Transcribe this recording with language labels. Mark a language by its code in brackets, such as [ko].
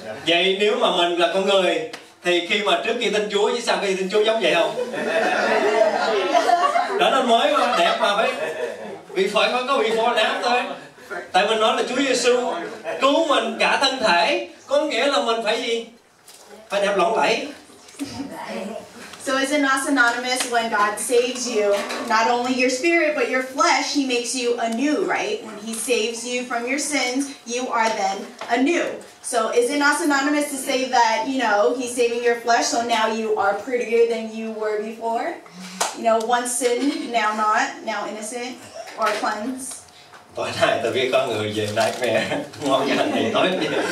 [vi] Vậy nếu mà mình là con người thì khi mà trước khi tin Chúa với sau khi tin Chúa giống vậy không? Trở nên mới mà đẹp mà phải. Vì phải có [en] before and after. [vi] Tại mình nói là Chúa Giêsu cứu mình cả thân thể, có nghĩa là mình phải gì? Phải đẹp lộng lẫy. [en] So is it not synonymous when God saves you, not only your spirit but your flesh, he makes you anew, right? When he saves you from your sins, you are then anew. So is it not synonymous to say that, you know, he's saving your flesh, so now you are prettier than you were before? You know, once sin, now not, now innocent, or cleansed? [vi] Tối nay tôi biết có người về đại mẹ ngon cái hành thì nói gì